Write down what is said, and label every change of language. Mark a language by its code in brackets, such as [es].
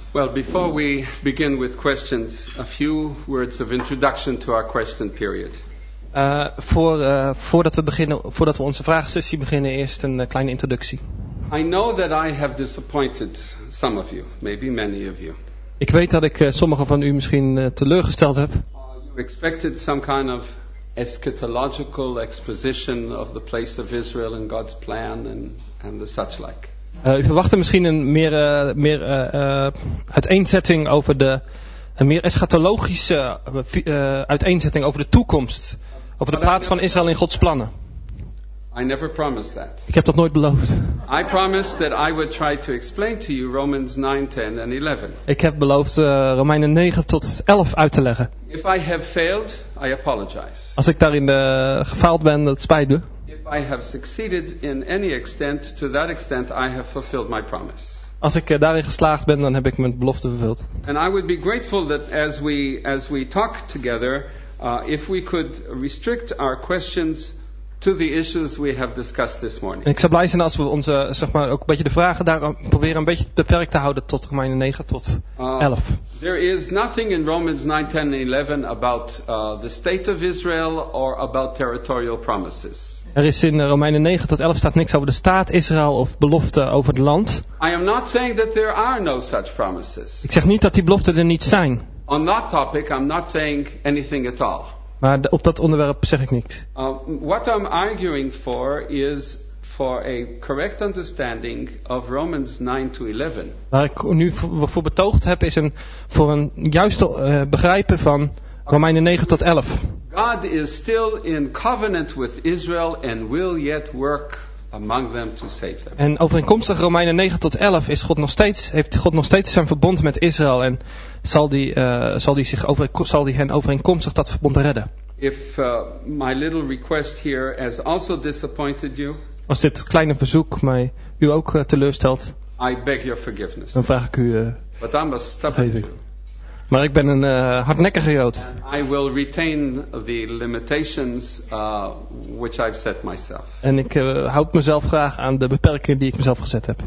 [en] Well, before we begin with questions, a few words of introduction to our question period. [nl] Voordat we onze vragensessie beginnen, eerst een kleine introductie. [en] I know that I have disappointed some of you, maybe many of you. [nl] Ik weet dat ik sommige van u misschien teleurgesteld heb. [en] You expected some kind of eschatological exposition of the place of Israel and God's plan and the such like. [nl] U verwachtte misschien een meer uiteenzetting over de een meer eschatologische uiteenzetting over de toekomst, over de plaats van Israël in Gods plannen. [en] I never promised that. [nl] Ik heb dat nooit beloofd. [en] I promised that I would try to explain to you Romans 9, 10 and 11. [nl] Ik heb beloofd Romeinen 9 tot 11 uit te leggen. [en] If I have failed, I apologize. [nl] Als ik daarin gefaald ben, dat spijt me. [en] I have succeeded in any extent, to that extent I have fulfilled my promise. [nl] Als ik daarin geslaagd ben, dan heb ik mijn belofte vervuld. [en] And I would be grateful that as we talk together, if we could restrict our questions to the issues we have discussed this morning. [nl] Ik zou blij zijn als we onze zeg maar ook een beetje de vragen daar proberen een beetje beperkt te houden tot Romeinen 9 tot 11. [en] There is nothing in Romans 9, 10 and 11 about the state of Israel or about territorial promises. [nl] Er is in Romeinen 9 tot 11 staat niks over de staat Israël of beloften over het land. [en] I am not saying that there are no such promises. [nl] Ik zeg niet dat die beloften er niet zijn. [en] On that topic, I'm not saying anything at all. [nl] Maar op dat onderwerp zeg ik niks. [en] What I'm arguing for is for a correct understanding of Romans 9 to 11. [nl] Waar ik nu voor betoogd heb is voor een juiste begrijpen van Romeinen 9 tot 11. [en] God is still in covenant with Israel and will yet work among them to save them. [nl] En overeenkomstig Romeinen 9 tot 11 is God nog steeds, heeft God nog steeds zijn verbond met Israël en zal die hen overeenkomstig dat verbond redden. [en] If my little request here has also disappointed you. [nl] Als dit kleine verzoek mij u ook teleurstelt. [en] I beg your forgiveness. [nl] Dan vraag ik u [en] But I'm a stubborn Jew. [nl] Maar ik ben een hardnekkige Jood. [en] I will retain the limitations which I've set myself. [nl] En ik houd mezelf graag aan de beperkingen die ik mezelf gezet heb.